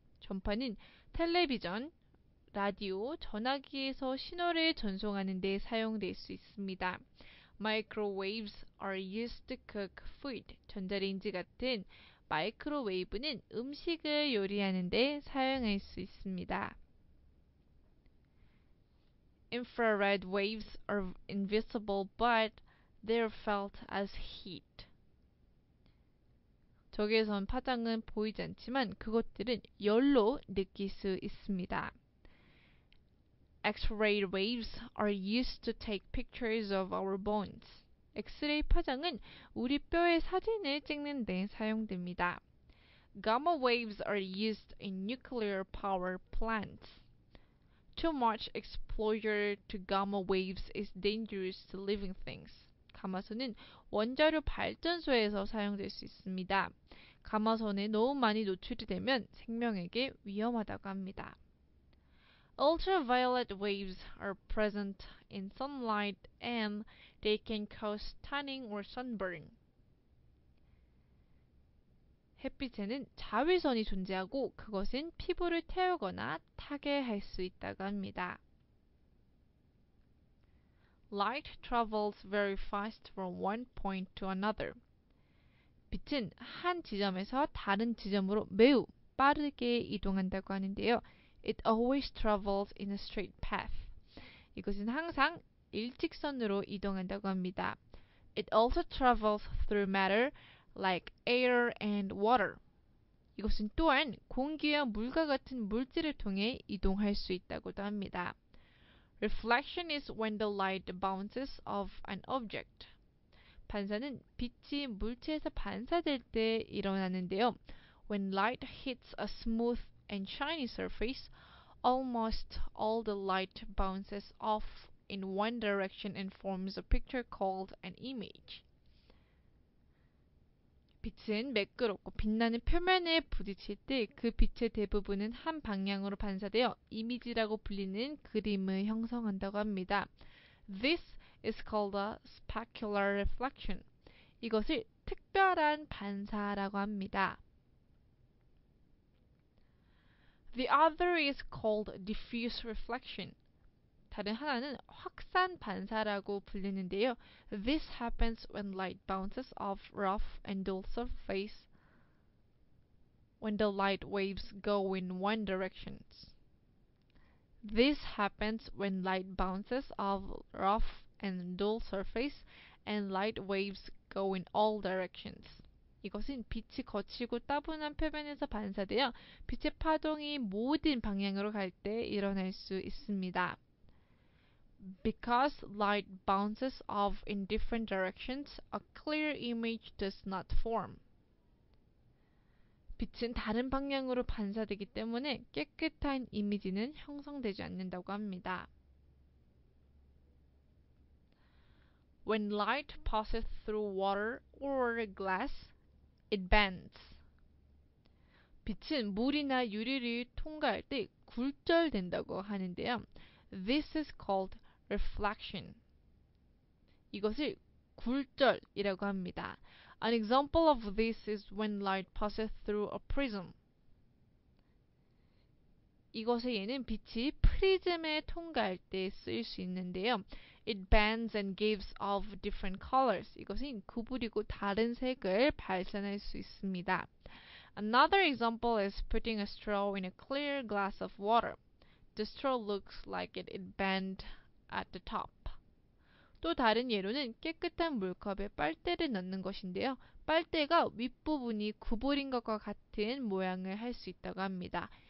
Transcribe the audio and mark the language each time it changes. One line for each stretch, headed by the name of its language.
Korean: 전파는 텔레비전, 라디오, 전화기에서 신호를 전송하는 데 사용될 수 있습니다.
English: Microwaves are used to cook food.
Korean: 전자레인지 같은 마이크로웨이브는 음식을 요리하는 데 사용할 수 있습니다.
English: Infrared waves are invisible, but they are felt as heat.
Korean: 적외선 파장은 보이지 않지만 그것들은 열로 느낄 수 있습니다.
English: X-ray waves are used to take pictures of our bones.
Korean: X-ray 파장은 우리 뼈의 사진을 찍는 데 사용됩니다.
English: Gamma waves are used in nuclear power plants. Too much exposure to gamma waves is dangerous to living things.
Korean: 가마선은 원자력 발전소에서 사용될 수 있습니다. 가마선에 너무 많이 노출이 되면 생명에게 위험하다고 합니다.
English: Ultraviolet waves are present in sunlight and they can cause tanning or sunburn.
Korean: 햇빛에는 자외선이 존재하고 그것은 피부를 태우거나 타게 할 수 있다고 합니다.
English: Light travels very fast from one point to another.
Korean: 빛은 한 지점에서 다른 지점으로 매우 빠르게 이동한다고 하는데요.
English: It always travels in a straight path.
Korean: 이것은 항상 일직선으로 이동한다고 합니다.
English: It also travels through matter like air and water.
Korean: 이것은 또한 공기와 물과 같은 물질을 통해 이동할 수 있다고도 합니다.
English: Reflection is when the light bounces off an object.
Korean: 반사는 빛이 물체에서 반사될 때 일어나는데요.
English: When light hits a smooth and shiny surface, almost all the light bounces off in one direction and forms a picture called an image.
Korean: 빛은 매끄럽고 빛나는 표면에 부딪힐 때 그 빛의 대부분은 한 방향으로 반사되어 이미지라고 불리는 그림을 형성한다고 합니다.
English: This is called a specular reflection.
Korean: 이것을 특별한 반사라고 합니다.
English: The other is called diffuse reflection.
Korean: 다른 하나는 확산 반사라고 불리는데요.
English: This happens when light bounces off rough and dull surface when the light waves go in one direction. This happens when light bounces off rough and dull surface and light waves go in all directions.
Korean: 이것은 빛이 거치고 따분한 표면에서 반사되어 빛의 파동이 모든 방향으로 갈 때 일어날 수 있습니다.
English: Because light bounces off in different directions, a clear image does not form.
Korean: 빛은 다른 방향으로 반사되기 때문에 깨끗한 이미지는 형성되지 않는다고 합니다.
English: When light passes through water or glass, it bends.
Korean: 빛은 물이나 유리를 통과할 때 굴절된다고 하는데요.
English: This is called reflection.
Korean: 이것을 굴절이라고 합니다.
English: An example of this is when light passes through a prism.
Korean: 이것의 예는 빛이 프리즘에 통과할 때 쓰일 수 있는데요.
English: It bends and gives off different colors.
Korean: 이것은 구부리고 다른 색을 발산할 수 있습니다.
English: Another example is putting a straw in a clear glass of water. The straw looks like it bent at the top.
Korean: 또 다른 예로는 깨끗한 물컵에 빨대를 넣는 것인데요. 빨대가 윗부분이 구부린 것과 같은 모양을 할 수 있다고 합니다.